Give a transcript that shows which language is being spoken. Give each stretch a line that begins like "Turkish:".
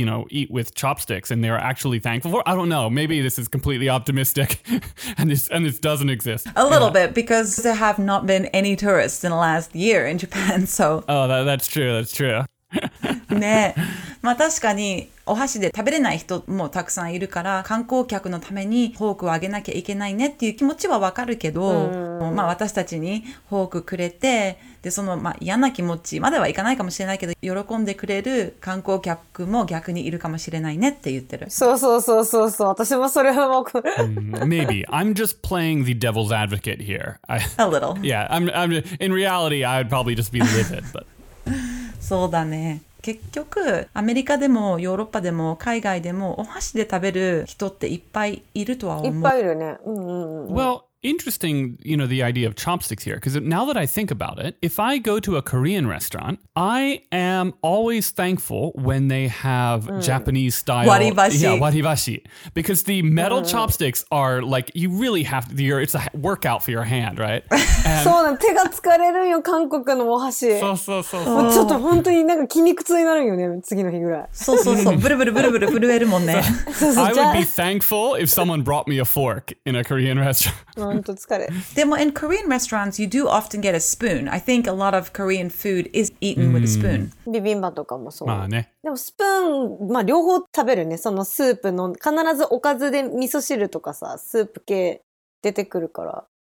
English: Eat with chopsticks and they're actually thankful for it. I don't know. Maybe this is completely optimistic and this doesn't exist. A little bit because there have not been any tourists in the last year in Japan, so... Oh, that's true, that's true. ね。
Japanese: まあ確かにお箸で食べれない人もたくさんいるから観光客のためにフォークをあげなきゃいけないねっていう気持ちはわかるけど、まあ私たちにフォークくれてでそのまあ嫌な気持ちまではいかないかもしれないけど喜んでくれる観光客も逆にいるかもしれないねって言ってるそうそうそうそうそう私もそれはもう、
English: Maybe I'm just playing the devil's advocate here A little Yeah, I'm in reality I would probably just be livid but...
Japanese: そうだね結局アメリカでもヨーロッパでも海外でもお箸で食べる人っていっぱいいるとは思ういっぱいいるね、うんうんうん、
English: Well interesting, you know, the idea of chopsticks here, because now that I think about it, if I go to a Korean restaurant, I am always thankful when they have Japanese style waribashi. Yeah, waribashi, because the metal chopsticks are like, you really have to, it's a workout for your hand, right? So,
Japanese: 手が疲れるよ、韓国のお箸。そう。ちょっと本当になんか筋肉痛になるよね、次の日ぐらい。そう。ブルブルブルブル震えるもんね。
English: I would be thankful if someone brought me a fork in a Korean restaurant.
Japanese: 本当疲れ。でも
English: in Korean restaurants, you do often get a spoon. I think a lot of Korean food is eaten with a spoon.
Japanese: ビビンバとかもそう。まあね。でもスプーン、まあ両方食べるね。そのスープの、必ずおかずで味噌汁とかさ、スープ系出てくるから。